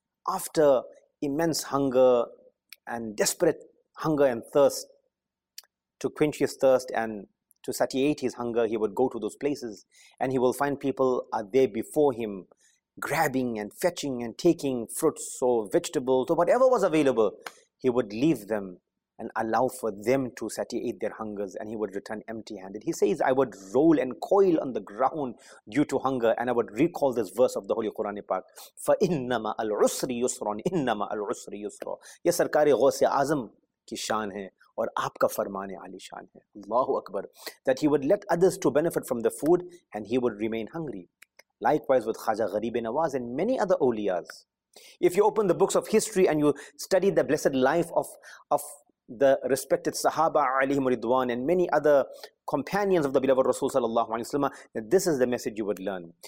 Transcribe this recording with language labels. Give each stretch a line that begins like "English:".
English: After immense hunger and desperate hunger and thirst, to quench his thirst and to satiate his hunger, he would go to those places and he will find people are there before him, grabbing and fetching and taking fruits or vegetables or whatever was available. He would leave them and allow for them to satiate their hungers, and he would return empty-handed. He says, I would roll and coil on the ground due to hunger, and I would recall this verse of the Holy Quran Pak.
Arabic: فَإِنَّمَا الْعُسْرِ يُسْرًا إِنَّمَا الْعُسْرِ يُسْرًا.
Urdu: یہ سرکار غوث اعظم کی شان ہے اور آپ کا فرمان عالی شان ہے.
Arabic: اللہ اکبر.
English: That he would let others to benefit from the food and he would remain hungry. Likewise with Khaja Ghareeb Nawaz and many other awliyas. If you open the books of history and you study the blessed life of the respected Sahaba alayhi muridwan and many other companions of the beloved Rasul sallallahu alayhi wa sallam, that this is the message you would learn.